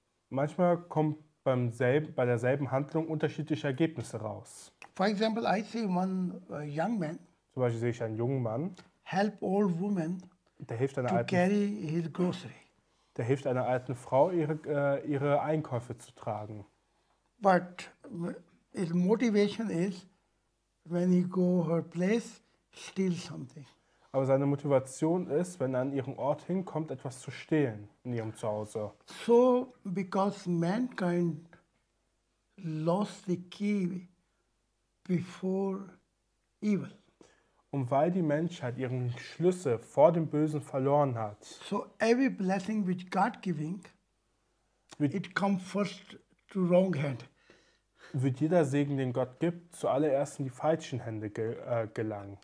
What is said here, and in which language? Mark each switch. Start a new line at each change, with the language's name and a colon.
German: Manchmal kommt beim selben, bei derselben Handlung unterschiedliche Ergebnisse raus.
English: For example, I see one young man.
German: Zum Beispiel sehe ich einen jungen Mann.
English: Help old woman.
German: Der hilft einer
English: to
German: alten,
English: carry his grocery.
German: Der hilft einer alten Frau ihre Einkäufe zu tragen.
English: But his motivation is when he go her place, steal something.
German: Aber seine Motivation ist, wenn er an ihren Ort hinkommt, etwas zu stehlen in ihrem Zuhause.
English: So, because mankind lost the key before evil.
German: Und weil die Menschheit ihren Schlüssel vor dem Bösen verloren hat.
English: So every blessing which God giving, it comes first to wrong hand.
German: Wird jeder Segen, den Gott gibt, zuallererst in die falschen Hände gelangen.